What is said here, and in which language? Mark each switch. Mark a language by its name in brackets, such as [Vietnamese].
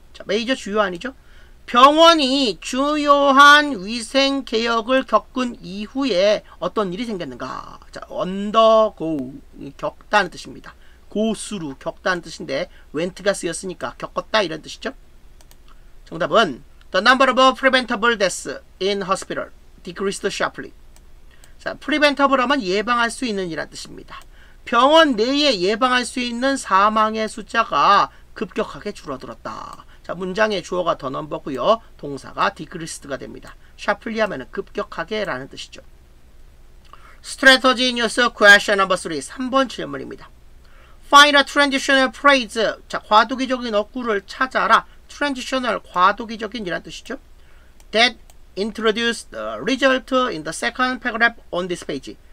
[Korean] 자, major 주요 아니죠? 병원이 주요한 위생개혁을 겪은 이후에 어떤 일이 생겼는가? 자, undergo, 겪다는 뜻입니다. 고수루, 겪다는 뜻인데 went가 쓰였으니까 겪었다 이런 뜻이죠. 정답은 [English] The number of preventable deaths in hospital decreased sharply. [Korean] 자, preventable 하면 예방할 수 있는 이란 뜻입니다. 병원 내에 예방할 수 있는 사망의 숫자가 급격하게 줄어들었다. 자, 문장의 주어가 the number고요. 동사가 decreased가 됩니다. sharply 하면 급격하게 라는 뜻이죠. [English] Strategy in use question number 3, [Korean] 3번 질문입니다. [English] Find a transitional phrase. [Korean] 자, 과도기적인 어구를 찾아라. Transitional, 과도기적인 이란 뜻이죠. [English] That introduced the result in the second paragraph on this page.